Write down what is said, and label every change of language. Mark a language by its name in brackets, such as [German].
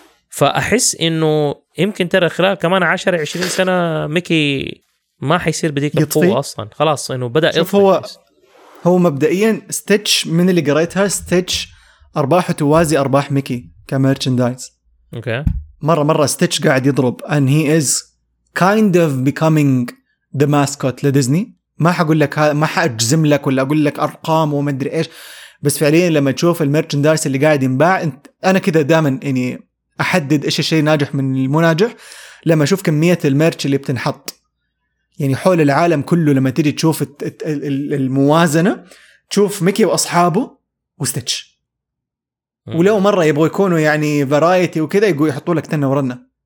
[Arabic] فاحس انه يمكن ترى خلال كمان 10 20 سنه ميكي ما حيصير بديك القوة اصلا خلاص انه بدا يطفي. هو مبدئيا ستيتش من اللي قريتها ستيتش ارباحه توازي ارباح ميكي كميرشندايز. اوكي مرة ستيتش قاعد يضرب [English] and he is kind of becoming the mascot لديزني. [Arabic] ما حقول لك ما حاجزم لك ولا أقول لك أرقام وما أدري إيش، بس فعليا لما تشوف الميرشندايز اللي قاعد ينباع، أنا كده دائما يعني أحدد إيش الشيء ناجح من المناجح لما أشوف كمية الميرش اللي بتنحط يعني حول العالم كله. لما تيجي تشوف الموازنة تشوف ميكي وأصحابه وستيتش، ولو مره يبغوا يكونوا يعني فرايتي وكذا يقول يحطوا لك تنه ورنا.